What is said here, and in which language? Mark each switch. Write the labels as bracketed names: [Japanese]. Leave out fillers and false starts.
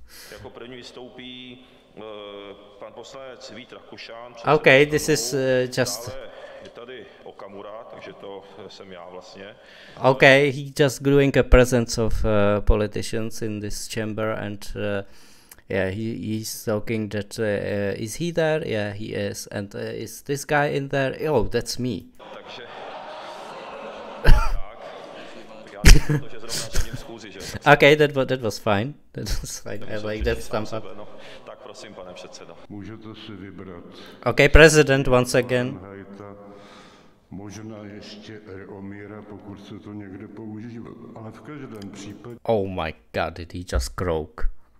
[Czech] Jako první vystoupí pan poslanec Vít Rakušan. [English] Okay, this is just [Czech] je tady Okamura, takže to jsem já vlastně. [English] Okay, he just growing a presence of politicians in this chamber and yeah, he's talking that is he there? Yeah, he is. And is this guy in there? Oh, that's me. [Czech] Takže [English] okay, that was fine. That was fine. I like that thumbs up. [Czech] Tak prosím, pane předsedo. Můžete si vybrat. [English] Okay, president once again. [Czech] Možná ještě Eomira, pokud se to někde používá, ale v každém případě. [English] Oh my god, did he just croak?